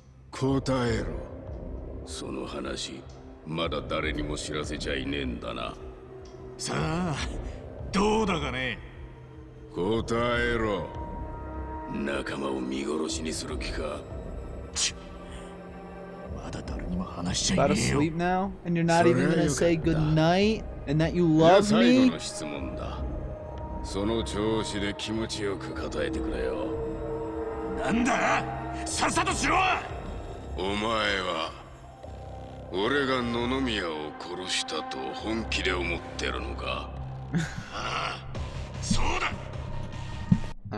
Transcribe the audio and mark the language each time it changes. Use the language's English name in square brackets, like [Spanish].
[Japanese] 答えろ。その話まだ誰にも知らせちゃいねえんだな。さあどうだかね。答えろ。仲間を見殺しにする気か。 [English] About to sleep now, and you're not even gonna say good night, and that you love me? [Japanese] 最後の質問だ。その調子で気持ちよく答えてくれよ。なんだ？さっさとしろ！お前は俺が野々宮を殺したと本気で思ってるのか？ああ、そうだ。